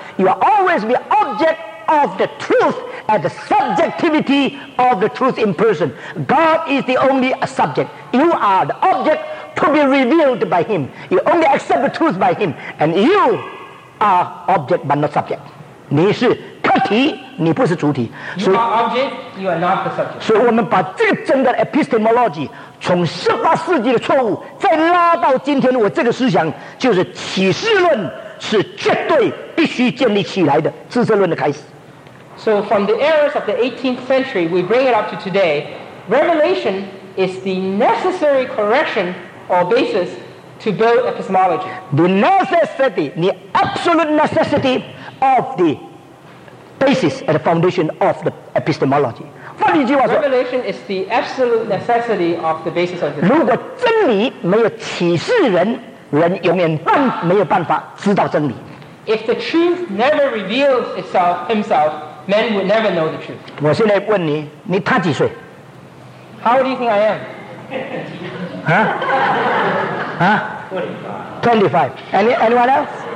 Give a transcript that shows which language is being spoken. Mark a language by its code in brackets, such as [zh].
[en] You will always be object of the truth and the subjectivity of the truth in person. God is the only subject. You are the object to be revealed by Him. You only accept the truth by Him. And you are object but not subject. [zh] 你是客体。你不是主体 [en] You are object, you are not the subject. [zh] 所以我们把这个整个 epistemology 从十八世纪的错误再拉到今天的我这个思想，就是启示论是绝对必须建立起来的知识论的开始。 [en] So from the errors of the 18th century, we bring it up to today. Revelation is the necessary correction or basis to build epistemology. The necessity, the absolute necessity of the basis at the foundation of the epistemology. Revelation is the absolute necessity of the basis of the. [zh] 如果真理没有启示人，人永远没有办法知道真理。 [en] If the truth never reveals itself, himself, men would never know the truth. [zh] 我现在问你，你他几岁？ [en] How old do you think I am? 25. Anyone else?